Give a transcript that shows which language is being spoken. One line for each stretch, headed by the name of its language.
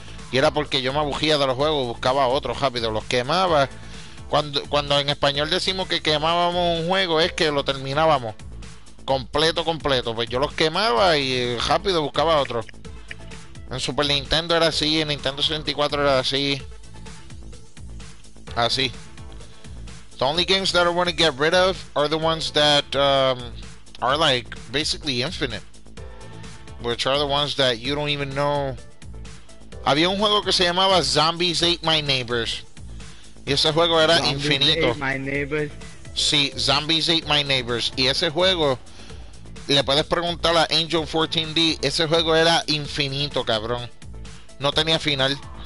Spanish: Y era porque yo me abugía de los juegos, buscaba otros rápido, los quemaba. Cuando en español decimos que quemábamos un juego, es que lo terminábamos completo. Pues yo los quemaba y rápido buscaba otro. En Super Nintendo era así, en Nintendo 64 era así. Así.
English: The only games that I want to get rid of are the ones that are like basically infinite. Which are the ones that you don't even know.
Spanish: Había un juego que se llamaba Zombies Ate My Neighbors. Y ese juego era
English: Zombies
Spanish: infinito.
English: Ate My Neighbors.
Spanish: Sí, Zombies Ate My Neighbors. Y ese juego, le puedes preguntar a Angel 14D, ese juego era infinito, cabrón. No tenía final.